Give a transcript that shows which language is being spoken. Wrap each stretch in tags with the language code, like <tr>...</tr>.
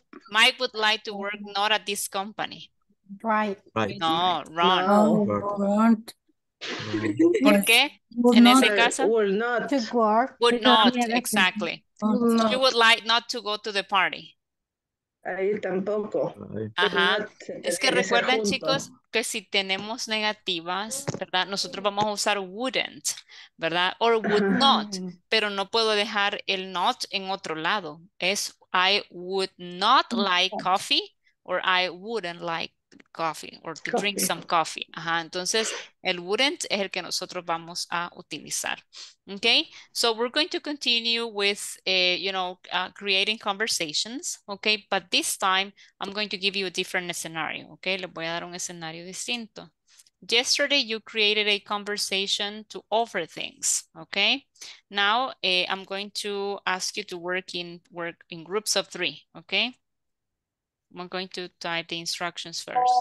<en>Mike would like to work not at this company. Right. No, wrong. Wrong.</en> <es>¿Por qué? En ese caso,</es> <en>would not, exactly. She would like not to go to the party.</en> <es>Ahí tampoco. Ajá. Es que recuerden, chicos, que si tenemos negativas, ¿verdad? Nosotros vamos a usar wouldn't, ¿verdad?</es> <en>Or would not,</en> <es>pero no puedo dejar el not en otro lado. Es</es> <en>I would not like coffee or I wouldn't like coffee or to drink some coffee. Ajá.</en> <es>Entonces, el wouldn't es el que nosotros vamos a utilizar.</es> <en>Okay, so we're going to continue with, creating conversations. Okay, but this time I'm going to give you a different scenario.</en> <es>Okay, le voy a dar un escenario distinto.</es> <en>Yesterday you created a conversation to offer things. Okay, now I'm going to ask you to work in groups of three. Okay, I'm going to type the instructions first.</en>